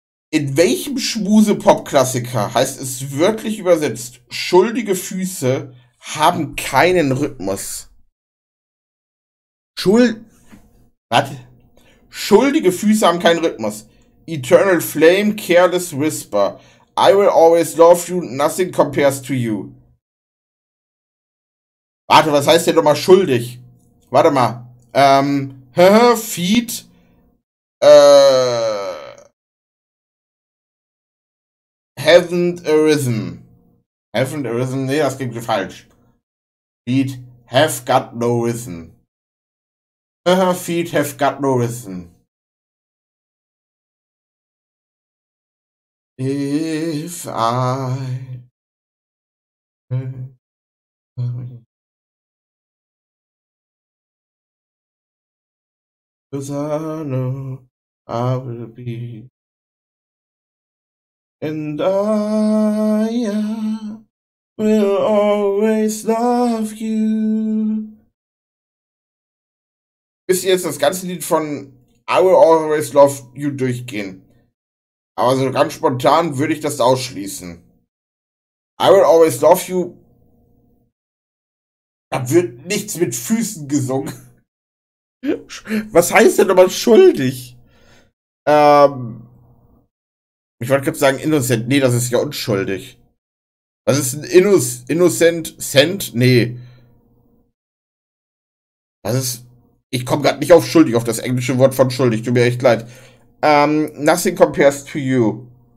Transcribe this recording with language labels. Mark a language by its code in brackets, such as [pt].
[de] In welchem Schmuse-Pop-Klassiker heißt es wörtlich übersetzt, schuldige Füße haben keinen Rhythmus? Schuldige Füße haben keinen Rhythmus. [en] Eternal Flame, Careless Whisper. I will always love you, nothing compares to you. [de] Warte, was heißt denn nochmal schuldig? Warte mal, [en] Feet, haven't arisen, [de] nee, das klingt falsch. [en] Feet have got no risen. Her feet have got no rhythm. If I... Because I know I will be, and I will always love you. [de] Bis jetzt das ganze Lied von I will always love you durchgehen. Aber so ganz spontan würde ich das ausschließen. I will always love you. Da wird nichts mit Füßen gesungen. Was heißt denn aber schuldig? Ich wollte gerade sagen innocent. Nee, das ist ja unschuldig. Was ist ein innocent cent? Nee. Was ist... Ich komme gerade nicht auf schuldig, auf das englische Wort von schuldig. Tut mir echt leid. [en] Nothing compares to you.